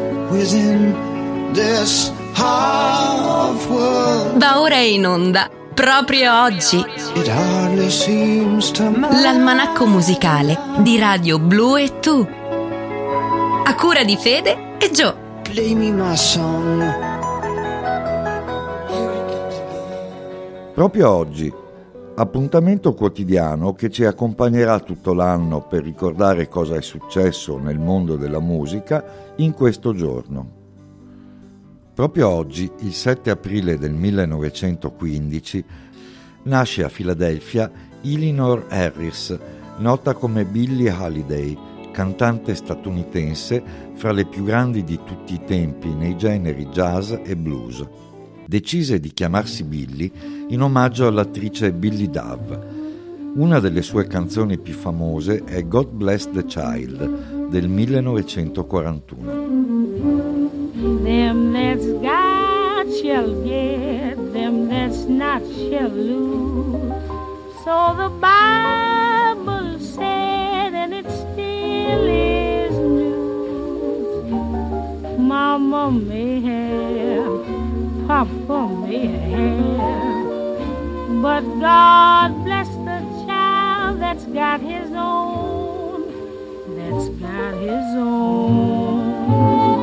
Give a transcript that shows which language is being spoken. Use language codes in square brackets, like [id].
[en] within this heart of world. [it] Va ora in onda, proprio oggi, l'almanacco musicale di Radio Blu e Tu, a cura di Fede e Gio. [en] Play me my song. [it] Proprio oggi, appuntamento quotidiano che ci accompagnerà tutto l'anno per ricordare cosa è successo nel mondo della musica in questo giorno. Proprio oggi, il 7 aprile del 1915, nasce a Filadelfia Elinor Harris, nota come Billie Holiday, cantante statunitense fra le più grandi di tutti i tempi nei generi jazz e blues. Decise di chiamarsi Billie in omaggio all'attrice Billie Dove. Una delle sue canzoni più famose è God Bless the Child del 1941. [en] Them that's got shall get, them that's not shall lose. So the Bible said, and it still is news. Mama may have, Papa may have, but God bless the child that's got his own, that's got his own.